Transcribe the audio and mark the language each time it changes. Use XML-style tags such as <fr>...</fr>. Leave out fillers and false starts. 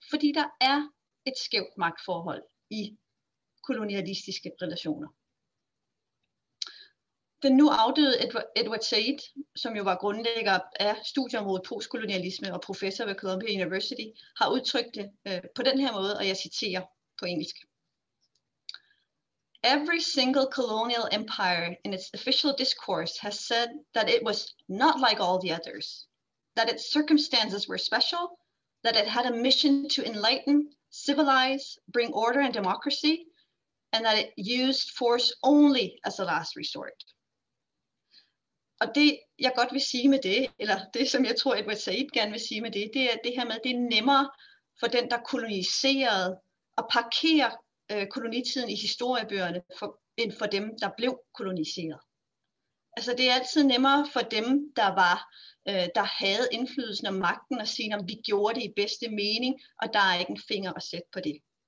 <da>Fordi der er et skævt magtforhold i kolonialistiske relationer. Den nu afdøde Edward Said, som jo var grundlægger af studieområdet postkolonialisme og professor ved Columbia University, har udtrykt det på den her måde, og jeg citerer på engelsk.</da> <en>Every single colonial empire in its official discourse has said that it was not like all the others, that its circumstances were special, that it had a mission to enlighten, civilize, bring order and democracy, and that it used force only as a last resort.</en> <da>Og det, jeg godt vil sige med det, eller det, som jeg tror, Edward Said gerne vil sige med det, det er det her med, at det er nemmere for den, der koloniserede og parkerer kolonitiden i historiebøgerne, end for dem, der blev koloniseret. Altså det er altid nemmere for dem, der var, der havde indflydelsen og magten, at sige, at vi gjorde det i bedste mening, og der er ikke en finger at sætte på det.</da>